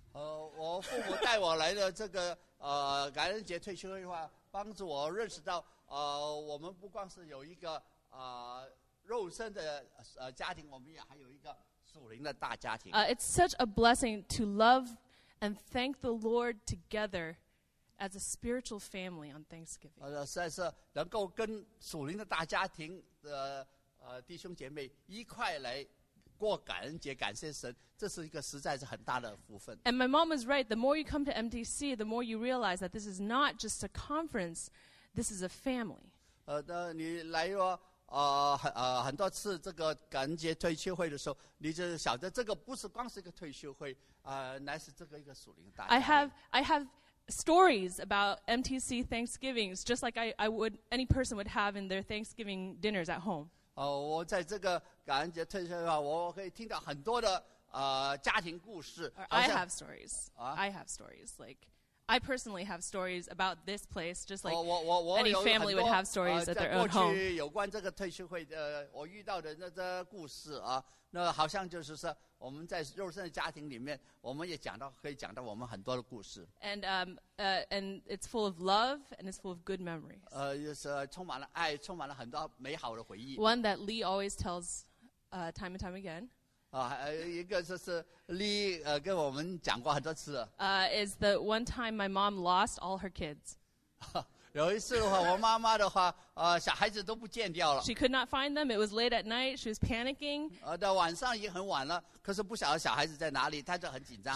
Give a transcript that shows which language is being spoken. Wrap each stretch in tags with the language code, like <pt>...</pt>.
<zh>我父母带我来的这个感恩节退休的话。帮助我认识到，我们不光是有一个肉身的家庭，我们也还有一个属灵的大家庭。</zh> <en>It's such a blessing to love and thank the Lord together as a spiritual family on Thanksgiving.</en> <zh>实在是能够跟属灵的大家庭的弟兄姐妹一块来过感恩节，感谢神，这是一个实在是很大的福分。</zh> <en>And my mom was right. The more you come to MTC, the more you realize that this is not just a conference, this is a family.</en> <zh>那你来过很多次这个感恩节退休会的时候，你就晓得这个不是光是一个退休会，乃是这个一个属灵大家。</zh> <en>I have stories about MTC Thanksgivings, just like I would any person would have in their Thanksgiving dinners at home.</en> <zh>我在这个感恩节退休的话，我可以听到很多的家庭故事。</zh> <en>I have stories.、啊、I have stories. Like, I personally have stories about this place, just like any family would have stories at their own home.</en> <zh>过去有关这个退休会的，我遇到的那个故事啊，那好像就是说我们在肉身的家庭里面，我们也讲到可以讲到我们很多的故事。</zh> <en>And and it's full of love and it's full of good memories.</en> <zh>就是充满了爱，充满了很多美好的回忆。</zh> <en>One that Lee always tells. Time and time again.</en> <zh>一个就是 Lee 跟我们讲过很多次。</zh> <en>Is the one time my mom lost all her kids.</en> <zh>有一次的话，我妈妈的话，小孩子都不见掉了。</zh> <en>She could not find them. It was late at night. She was panicking.</en> <zh>到晚上已经很晚了，可是不晓得小孩子在哪里，她就很紧张。</zh>